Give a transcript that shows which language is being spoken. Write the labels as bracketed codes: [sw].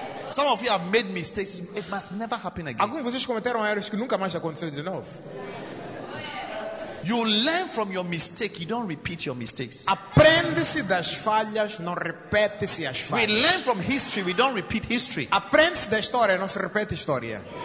[en] Some of you have made mistakes. It must never happen again. [pt] Alguns de vocês cometeram erros que nunca mais aconteceram de novo. [en] You learn from your mistake, you don't repeat your mistakes. [pt] Aprende-se das falhas, não repete-se as falhas. [en] We learn from history, we don't repeat history. [pt] Aprende-se da história, não se repete a história.